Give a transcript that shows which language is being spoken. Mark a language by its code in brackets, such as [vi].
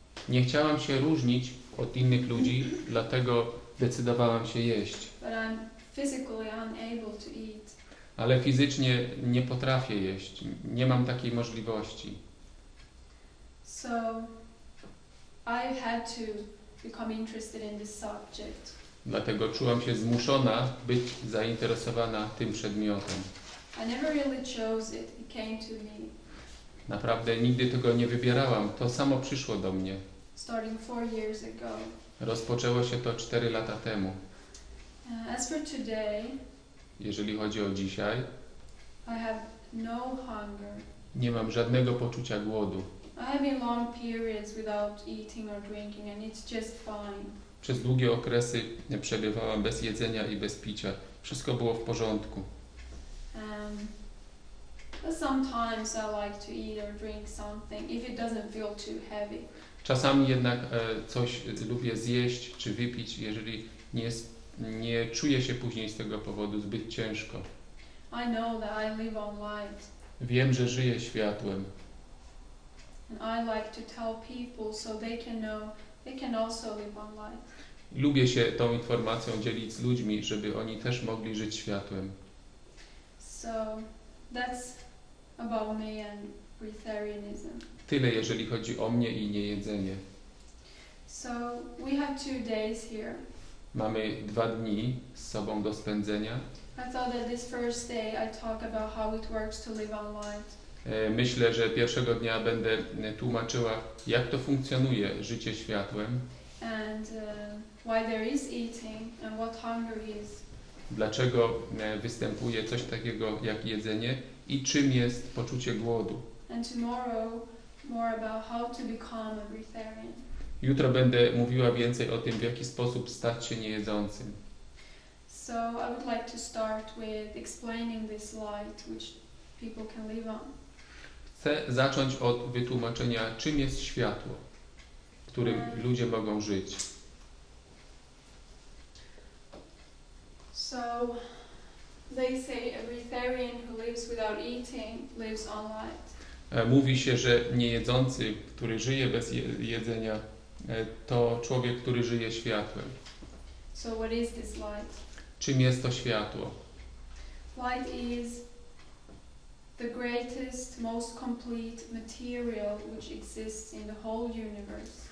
[pl] Nie chciałam się różnić od innych ludzi, dlatego decydowałam się jeść. [en] But I'm physically unable to eat. [pl] Ale fizycznie nie potrafię jeść. Nie mam takiej możliwości. [en] So, I had to become interested in this subject. [pl] Dlatego czułam się zmuszona być zainteresowana tym przedmiotem. [en] I never really chose it. It came to me. [pl] Naprawdę nigdy tego nie wybierałam. To samo przyszło do mnie. [en] Starting 4 years ago. [pl] Rozpoczęło się to 4 lata temu. [en] As for today, [pl] jeżeli chodzi o dzisiaj, [en] I have no hunger. [pl] Nie mam żadnego poczucia głodu. [en] I have been long periods without eating or drinking and it's just fine. [pl] Przez długie okresy przebywałam bez jedzenia i bez picia. Wszystko było w porządku. [en] But sometimes I like to eat or drink something if it doesn't feel too heavy. [pl] Czasami jednak coś lubię zjeść czy wypić, jeżeli nie czuję się później z tego powodu zbyt ciężko. [en] I know that I live on light. [pl] Wiem, że żyję światłem. [en] And I like to tell people so they can know they can also live on light. [pl] Lubię się tą informacją dzielić z ludźmi, żeby oni też mogli żyć światłem. [en] So that's about me and breatharianism. [pl] Tyle, jeżeli chodzi o mnie i niejedzenie. [en] So we have 2 days here. [pl] Mamy 2 dni z sobą do spędzenia. [en] I thought that this first day I talk about how it works to live on light. [pl] Myślę, że pierwszego dnia będę tłumaczyła, jak to funkcjonuje życie światłem. [en] And why there is eating and what hunger is. [pl] Dlaczego występuje coś takiego jak jedzenie i czym jest poczucie głodu. [en] And tomorrow more about how to become a breatharian. [pl] Jutro będę mówiła więcej o tym, w jaki sposób stać się niejedzącym. [en] So I would like to start with explaining this light which people can live on. [pl] Chcę zacząć od wytłumaczenia, czym jest światło, którym ludzie mogą żyć. [en] So they say a breatharian who lives without eating lives on light. [pl] Mówi się, że niejedzący, który żyje bez jedzenia, to człowiek, który żyje światłem. [en] So what is this light? [pl] Czym jest to światło? [en] Light is the greatest, most complete material which exists in the whole universe.